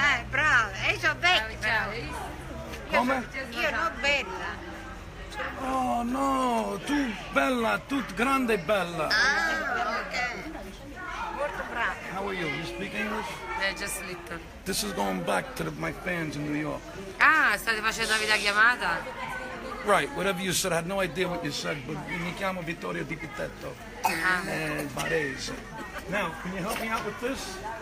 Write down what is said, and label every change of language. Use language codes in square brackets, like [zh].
[it] Bravo. E so vecchia. Come? Io non bella. Oh no, tu bella, tu grande bella. Ah, okay. Molto brava. [en] How are you? You speak English? Yeah, just a little. This is going back to my fans in New York. [it] Ah, state facendo la videochiamata? [en] Right, whatever you said, I had no idea what you said, but [it] mi chiamo Vittorio Dibitetto. Barese. [en] Now, can you help me out with this?